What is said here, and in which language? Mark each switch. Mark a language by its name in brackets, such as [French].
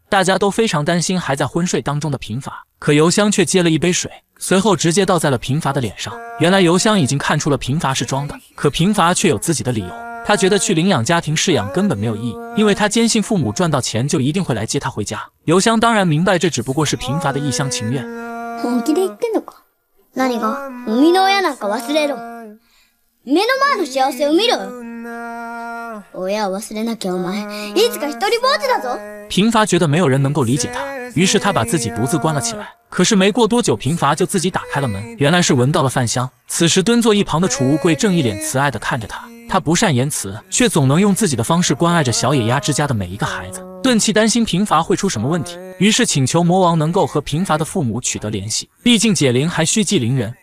[Chinese] 大家都非常担心还在昏睡当中的平伐，可邮箱却接了一杯水，随后直接倒在了平伐的脸上。原来邮箱已经看出了平伐是装的，可平伐却有自己的理由。他觉得去领养家庭饲养根本没有意义，因为他坚信父母赚到钱就一定会来接他回家。邮箱当然明白这只不过是平伐的一厢情愿。 [Japanese] 本気で言ってんのか？何が？生みの親なんか忘れろ。目の前の幸せを見ろ。親を忘れなきゃお前、いつか一人ぼっちだぞ。 [Chinese] 平伐觉得没有人能够理解他，于是他把自己独自关了起来。可是没过多久，平伐就自己打开了门，原来是闻到了饭香。此时蹲坐一旁的储物柜正一脸慈爱地看着他，他不善言辞，却总能用自己的方式关爱着小野鸭之家的每一个孩子。顿气担心平伐会出什么问题，于是请求魔王能够和平伐的父母取得联系，毕竟解铃还需系铃人。